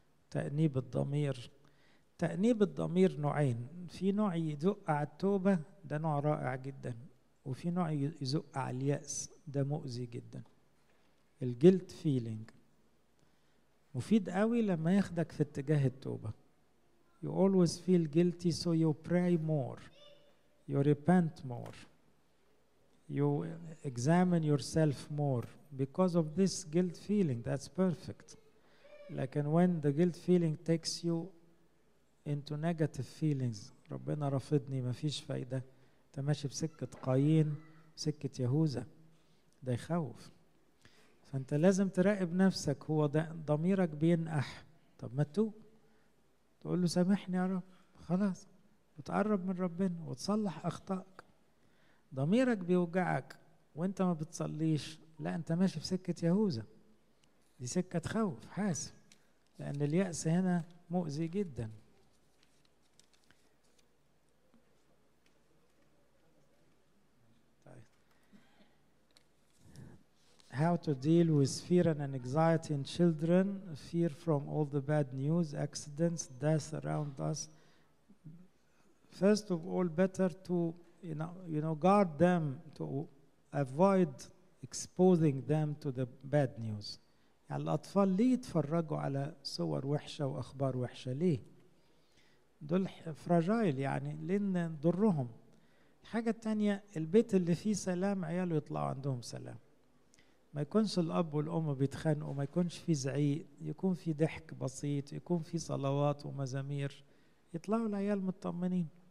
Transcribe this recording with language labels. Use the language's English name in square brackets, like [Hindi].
[Arabic] تأنيب الضمير، تأنيب الضمير نوعين، في نوع يدق على التوبة ده نوع رائع جدا، وفي نوع يزق على اليأس ده مؤذي جدا. [English] الجلت فيلينج [Arabic] مفيد قوي لما ياخدك في اتجاه التوبة. [English] You always feel guilty so you pray more, you repent more, you examine yourself more because of this guilt feeling, that's perfect. [Arabic] لكن [English] when the guilt feeling takes you into negative feelings، [Arabic] ربنا رفضني، مفيش فايدة، انت ماشي بسكة قايين، سكة يهوذا، ده يخوف. فانت لازم تراقب نفسك، هو ضميرك بينقح، طب ما تتوب، تقول له سامحني يا رب، خلاص، وتقرب من ربنا وتصلح أخطائك. ضميرك بيوجعك وانت ما بتصليش، لا انت ماشي بسكة يهوذا، دي سكة خوف حاسب، لأن اليأس هنا مؤذي جدا. [English] How to deal with fear and anxiety in children. Fear from all the bad news, accidents, death around us. First of all, better to you know guard them, to avoid exposing them to the bad news. [Arabic] يعني الأطفال ليه يتفرجوا على صور وحشة وأخبار وحشة؟ ليه؟ دول فراجايل يعني، لين نضرهم. الحاجة التانية، البيت اللي فيه سلام عياله يطلعوا عندهم سلام، ما يكونش الأب والأم بيتخانقوا، ما يكونش فيه زعيق، يكون فيه ضحك بسيط، يكون فيه صلوات ومزامير، يطلعوا العيال مطمنين.